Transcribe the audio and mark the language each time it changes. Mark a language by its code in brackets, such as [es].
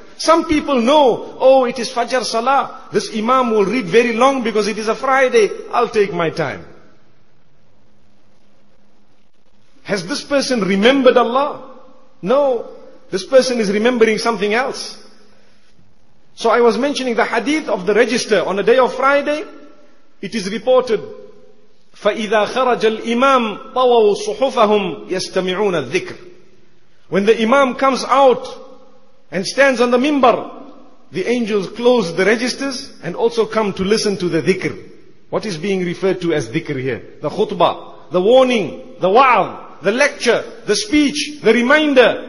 [en] Some people know, oh, it is Fajr Salah. This imam will read very long because it is a Friday. I'll take my time. Has this person remembered Allah? No, this person is remembering something else. So I was mentioning the hadith of the register on a day of Friday. It is reported, [ar] فَإِذَا خَرَجَ الْإِمَامُ طَوَوْا صُحُفَهُمْ يَسْتَمِعُونَ الذِّكْرِ. [en] When the imam comes out and stands on the minbar, the angels close the registers and also come to listen to the dhikr. What is being referred to as dhikr here? The khutbah, the warning, the wa'ad, the lecture, the speech, the reminder.